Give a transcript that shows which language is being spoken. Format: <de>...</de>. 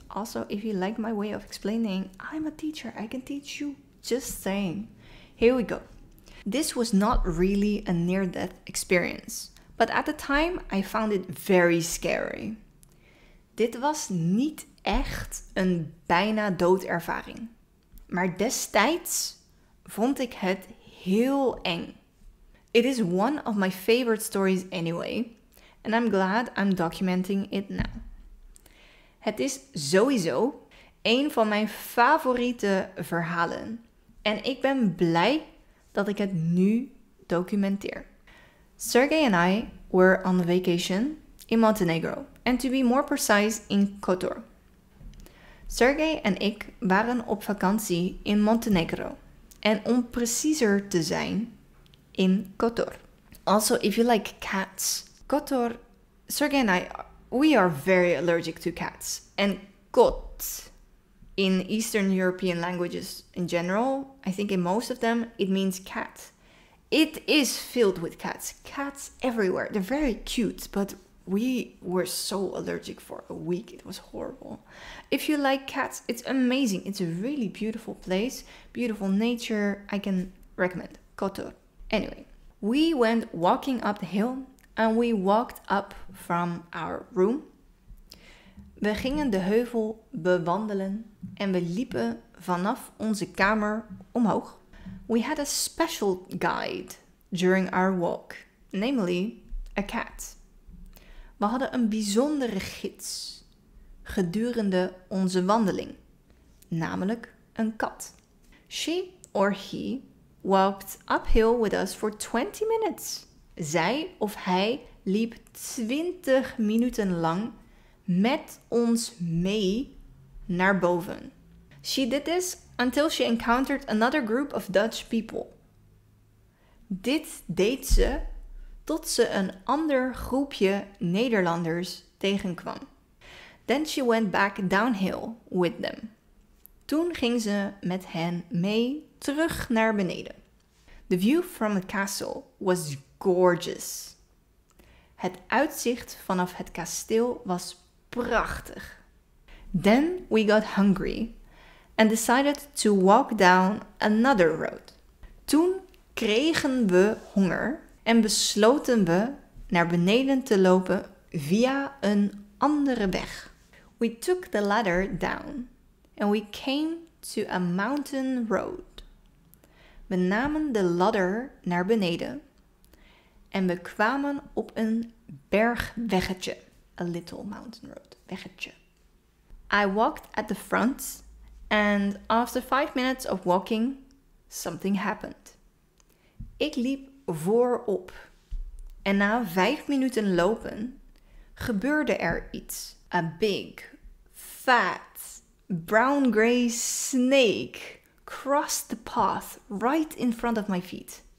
<en>Also, if you like my way of explaining, I'm a teacher, I can teach you. Just saying. Here we go. This was not really a near-death experience. But at the time, I found it very scary.</en> <nl>Dit was niet echt een bijna doodervaring. Maar destijds vond ik het heel eng.</nl> <en>It is one of my favorite stories anyway. And I'm glad I'm documenting it now.</en> <nl>Het is sowieso een van mijn favoriete verhalen. En ik ben blij dat ik het nu documenteer.</nl> <en>Sergei and I were on vacation in Montenegro. And to be more precise, in Kotor.</en> <nl>Sergei en ik waren op vakantie in Montenegro. En om preciezer te zijn, in Kotor.</nl> <en>Also, if you like cats, Kotor, Sergei and I, we are very allergic to cats. And kot, in Eastern European languages in general, I think in most of them, it means cat. It is filled with cats. Cats everywhere. They're very cute, but We were so allergic for a week. It was horrible. If you like cats, it's amazing. It's a really beautiful place. Beautiful nature. I can recommend Kotor. Anyway, we went walking up the hill and we walked up from our room.</en> <nl>We gingen de heuvel bewandelen en we liepen vanaf onze kamer omhoog.</nl> <en>We had a special guide during our walk, namely a cat.</en> <nl>We hadden een bijzondere gids gedurende onze wandeling, namelijk een kat.</nl> <en>She or he walked uphill with us for 20 minutes.</en> <nl>Zij of hij liep 20 minuten lang met ons mee naar boven.</nl> <en>She did this until she encountered another group of Dutch people.</en> <nl>Dit deed ze tot ze een ander groepje Nederlanders tegenkwam.</nl> <en>Then she went back downhill with them.</en> <nl>Toen ging ze met hen mee terug naar beneden.</nl> <en>The view from the castle was gorgeous.</en> <nl>Het uitzicht vanaf het kasteel was prachtig.</nl> <en>Then we got hungry and decided to walk down another road.</en> <nl>Toen kregen we honger en besloten we naar beneden te lopen via een andere weg.</nl> <en>We took the ladder down and we came to a mountain road.</en> <nl>We namen de ladder naar beneden en we kwamen op een bergweggetje.</nl> <en>A little mountain road, weggetje. I walked at the front and after 5 minutes of walking, something happened.</en> <nl>Ik liep voorop en na 5 minuten lopen gebeurde er iets.</nl> <en>A big, fat, brown-gray snake crossed the path right in front of my feet.</en>